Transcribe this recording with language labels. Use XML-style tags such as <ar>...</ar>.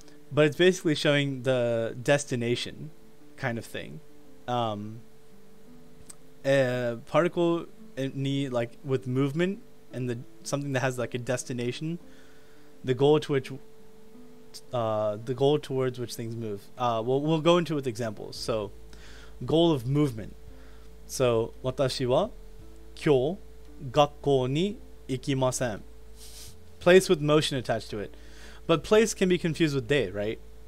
<en>But it's basically showing the destination kind of thing. A particle ni, like with movement and the something that has like a destination, the goal towards which things move. We'll go into it with examples. So, goal of movement.</en> <ja>So, 私は今日学校に行きません.</ja> <en>Place with motion attached to it, but place can be confused with day, right?</en>